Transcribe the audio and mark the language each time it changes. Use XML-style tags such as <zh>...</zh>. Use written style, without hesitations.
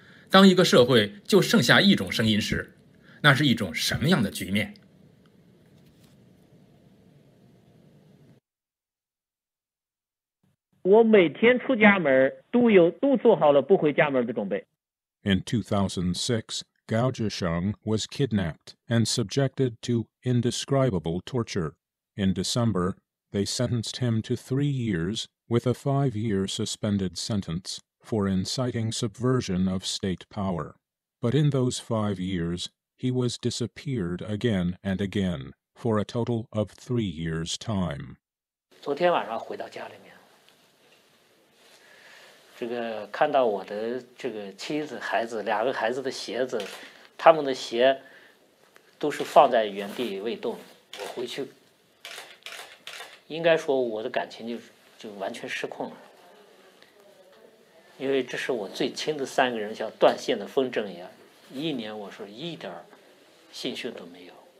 <zh>当一个社会就剩下一种声音时，那是一种什么样的局面？我每天出家门都做好了不回家门的准备。</zh> <en>In 2006, Guangcheng was kidnapped and subjected to indescribable torture. In December, they sentenced him to 3 years with a 5-year suspended sentence for inciting subversion of state power. But in those 5 years, he was disappeared again and again for a total of 3 years' time.</en> <zh>昨天晚上回到家里面。这个看到我的这个妻子孩子两个孩子的鞋子，他们的鞋都是放在原地未动。我回去应该说我的感情就完全失控了，因为这是我最亲的三个人，像断线的风筝一样，一年我说一点信心都没有。</zh>